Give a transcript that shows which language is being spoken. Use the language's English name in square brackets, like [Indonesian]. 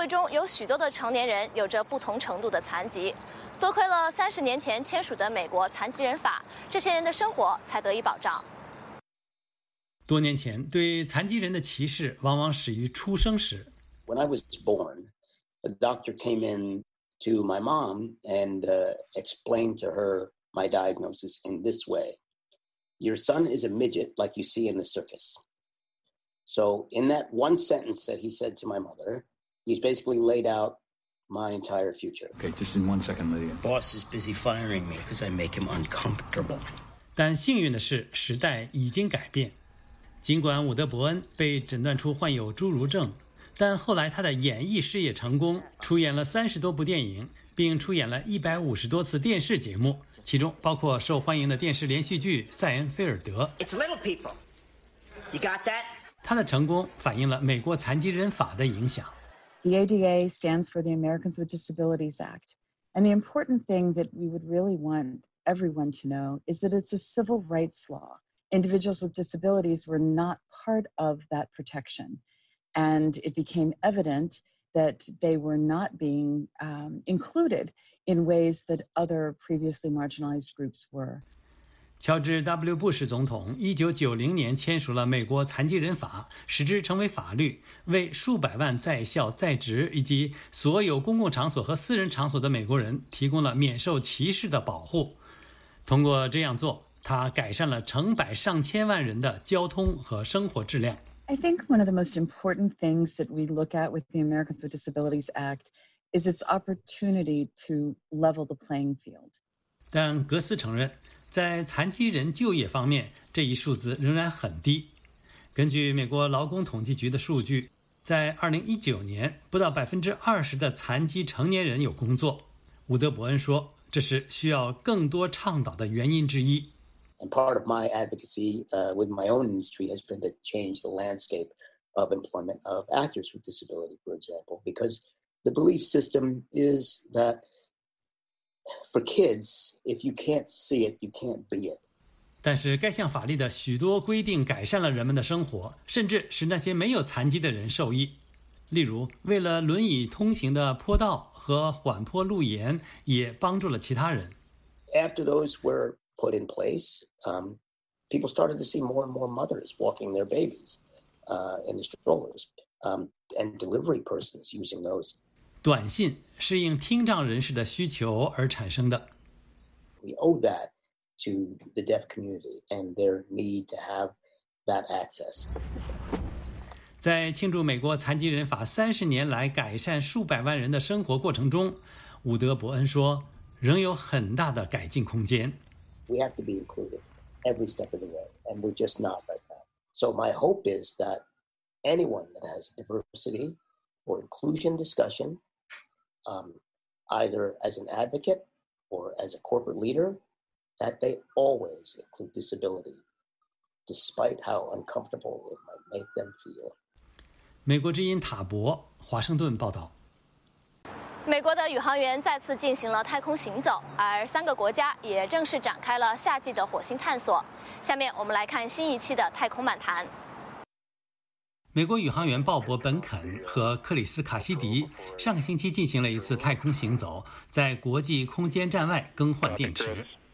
[Chinese] 有许多的成年人有着不同程度的残疾，多亏了30年前签署的美国残疾人法，这些人的生活才得以保障。多年前，对残疾人的歧视往往始于出生时。 [English] When I was born, a doctor came in to my mom and explained to her my diagnosis in this way: Your son is a midget like you see in the circus. So in that one sentence that he said to my mother. He's basically laid out my entire future. Okay, just in one second, Lydia. Boss is busy firing me because I make him uncomfortable. [Chinese] 但幸运的是，时代已经改变。尽管伍德·伯恩被诊断出患有侏儒症，但后来他的演艺事业成功，出演了30多部电影，并出演了150多次电视节目，其中包括受欢迎的电视连续剧《塞恩菲尔德》。 [English] It's little people. You got that? [Chinese] 他的成功反映了美国残疾人法的影响。 [English] The ADA stands for the Americans with Disabilities Act. And the important thing that we would really want everyone to know is that it's a civil rights law. Individuals with disabilities were not part of that protection. And it became evident that they were not being included in ways that other previously marginalized groups were. [Chinese] 乔治 W. 布什总统1990年签署了美国残疾人法，使之成为法律，为数百万在校在职以及所有公共场所和私人场所的美国人提供了免受歧视的保护。通过这样做，他改善了成百上千万人的交通和生活质量。 [English] I think one of the most important things that we look at with the Americans with Disabilities Act is its opportunity to level the playing field. [Chinese] 但格斯承认在残疾人就业方面，这一数字仍然很低。根据美国劳工统计局的数据，在2019年，不到20%的残疾成年人有工作。伍德伯恩说，这是需要更多倡导的原因之一。 [English] And part of my advocacy with my own industry has been to change the landscape of employment of actors with disability, for example, because the belief system is that for kids, if you can't see it, you can't be it. [Chinese] 但是该项法律的许多规定改善了人们的生活，甚至使那些没有残疾的人受益。例如，为了轮椅通行的坡道和缓坡路沿也帮助了其他人。 [English] After those were put in place, people started to see more and more mothers walking their babies in the strollers and delivery persons using those. [Chinese] 短信是应听障人士的需求而产生的。 [English] We owe that to the deaf community and their need to have that access. [Chinese] 在庆祝美国残疾人法30年来改善数百万人的生活过程中，伍德伯恩说，仍有很大的改进空间。 [English] We have to be included every step of the way, and we're just not right now. So my hope is that anyone that has a diversity or inclusion discussion, either as an advocate or as a corporate leader, that they always include disability, despite how uncomfortable it might make them feel. [Chinese] 美国之音塔博，华盛顿报道。美国的宇航员再次进行了太空行走，而三个国家也正式展开了夏季的火星探索。下面我们来看新一期的太空漫谈。美国宇航员鲍勃·本肯和克里斯·卡西迪上个星期进行了一次太空行走，在国际空间站外更换电池。